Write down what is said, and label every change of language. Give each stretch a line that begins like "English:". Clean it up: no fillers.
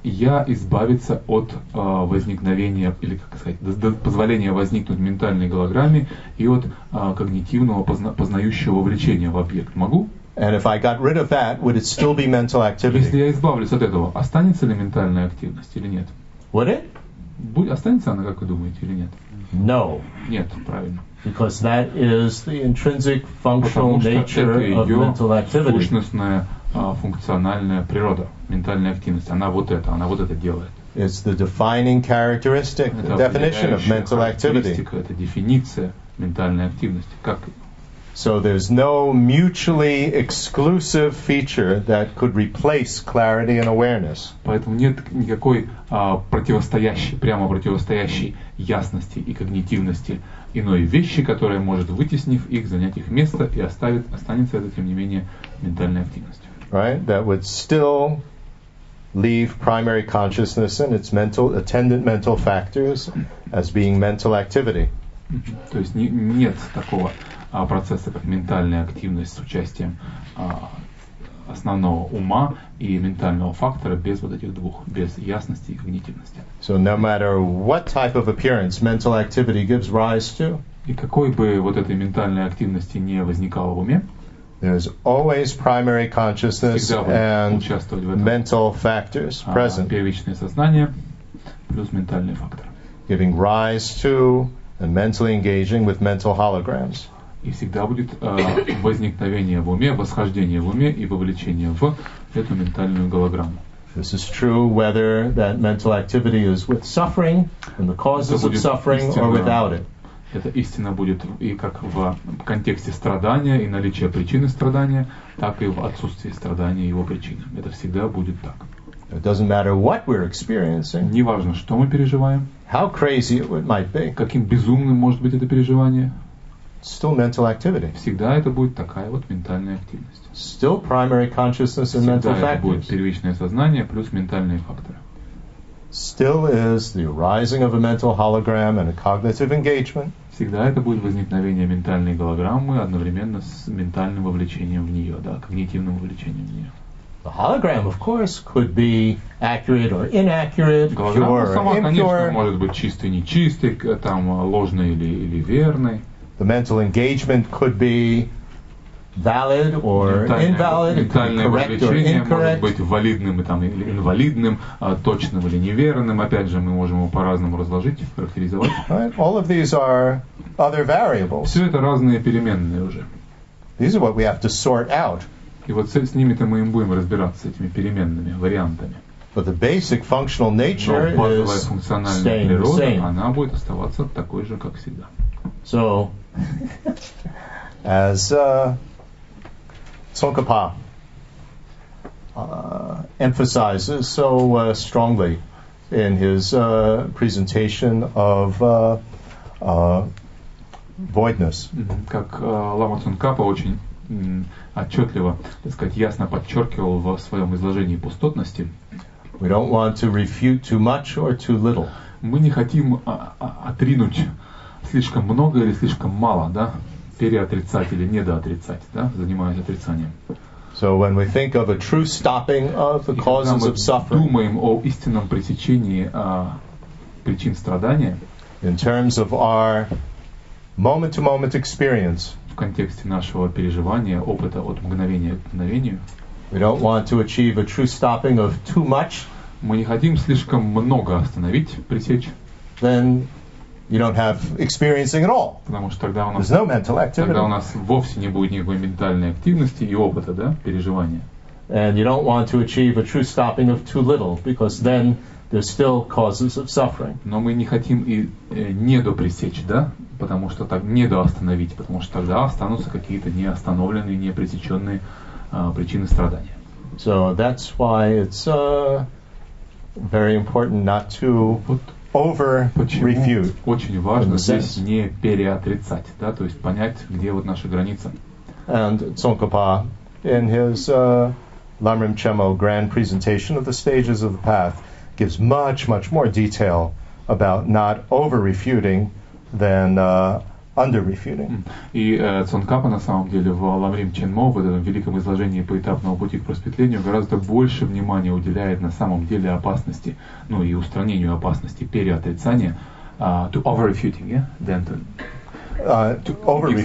Russian: Я избавиться от возникновения или как сказать, позволения возникнуть ментальной голограмме и от когнитивного познающего вовлечения в объект. Могу?
English: And if I got rid of that, would it still be mental activity?
Russian: Если я избавлюсь от этого, останется ли ментальная активность или нет?
English: Would it?
Russian: Останется она, как вы думаете, или нет?
English: No.
Russian: Нет, правильно.
English: Because that is the intrinsic functional nature of mental activity.
Russian: Потому что это ее сущностная, функциональная природа, ментальная активность. Она вот это делает.
English: It's the defining characteristic,
Russian: это
English: the definition of mental activity.
Russian: Это дефиниция ментальной активности. Как?
English: So there's no mutually exclusive feature that could replace clarity and awareness.
Russian: Поэтому нет никакой противостоящей, прямо противостоящей ясности и когнитивности иной вещи, которая может, вытеснив их, занять их место и останется это, тем не менее, ментальной активностью.
English: Right? That would still leave primary consciousness and its mental, attendant mental factors as being mental activity.
Russian: То есть нет такого процесса, как ментальная активность с участием основного ума и ментального фактора без вот этих двух, без ясности и когнитивности.
English: So no matter what type of appearance mental activity gives rise to,
Russian: и какой бы вот этой ментальной активности не возникало в уме,
English: there's always primary consciousness and mental factors present.
Russian: Первичное сознание плюс ментальный фактор.
English: Giving rise to and mentally engaging with mental holograms.
Russian: И всегда будет возникновение в уме, восхождение в уме и вовлечение в эту ментальную голограмму.
English: This is true whether that mental activity is with suffering and the causes of suffering or without it.
Russian: Это истина будет и как в контексте страдания и наличия причины страдания, так и в отсутствии страдания и его причины. Это всегда будет так.
English: It doesn't matter what we're experiencing.
Russian: Не важно, что мы переживаем.
English: How crazy it might be.
Russian: Каким безумным может быть это переживание.
English: Still mental activity.
Russian: Всегда это будет такая вот ментальная активность.
English: Still primary consciousness and mental factors.
Russian: Всегда это будет первичное сознание плюс ментальные факторы.
English: Still is the arising of a mental hologram and a cognitive engagement.
Russian: Всегда это будет возникновение ментальной голограммы одновременно с ментальным вовлечением в нее, да, когнитивным вовлечением в нее.
English: The hologram, of course, could be accurate or inaccurate, pure or impure.
Russian: Голограмма сама, конечно, может быть чистой, нечистой, там ложной или верной.
English: The mental engagement could be valid or invalid, correct or incorrect.
Russian: Может быть валидным и там или инвалидным, точным или неверным. Опять же, мы можем его по-разному разложить, характеризовать.
English: Right. All of these are other variables.
Russian: Все это разные переменные уже.
English: These are what we have to sort out.
Russian: И вот с ними-то мы и будем разбираться, с этими переменными вариантами.
English: But the basic functional nature is staying the same.
Russian: Но базовая функциональная природа, она будет оставаться такой же, как всегда.
English: So, as Tsongkhapa emphasizes so strongly in his presentation of voidness.
Russian: Как Лама Цунгкапа очень отчетливо, так сказать, ясно подчеркивал в своем изложении пустотности.
English: We don't want to refute too much or too little.
Russian: Мы не хотим отринуть слишком много или слишком мало, да? Переотрицать или недоотрицать, да? Занимаясь отрицанием.
English: So when we think of a true stopping of the causes of suffering,
Russian: когда мы думаем о истинном пресечении причин страдания,
English: in terms of our moment-to-moment experience,
Russian: в контексте нашего переживания, опыта от мгновения к мгновению,
English: we don't want to achieve a true stopping of too much,
Russian: мы не хотим слишком много остановить, пресечь,
English: then you don't have experiencing at all.
Russian: Потому что тогда у нас,
English: there's no mental activity.
Russian: Тогда у нас вовсе не будет никакой ментальной активности и опыта, да, переживания.
English: And you don't want to achieve a true stopping of too little, because then there's still causes of suffering.
Russian: Но мы не хотим и недопресечь, да, потому что так недоостановить, потому что тогда останутся какие-то неостановленные, непресеченные причины страдания.
English: So that's why it's very important not to over-refute.
Russian: Почему очень важно здесь не переотрицать, да, то есть понять, где вот наша граница.
English: And Tsongkhapa, in his Lamrim Chemo grand presentation of the stages of the path, gives much, much more detail about not over-refuting than under-refuting.
Russian: И Цонкапа, на самом деле, в Ламрим Ченмо, в этом великом изложении поэтапного пути к просветлению, гораздо больше внимания уделяет на самом деле опасности, ну и устранению опасности переотрицания,
English: to over-refuting, yeah? Than to over-refuting.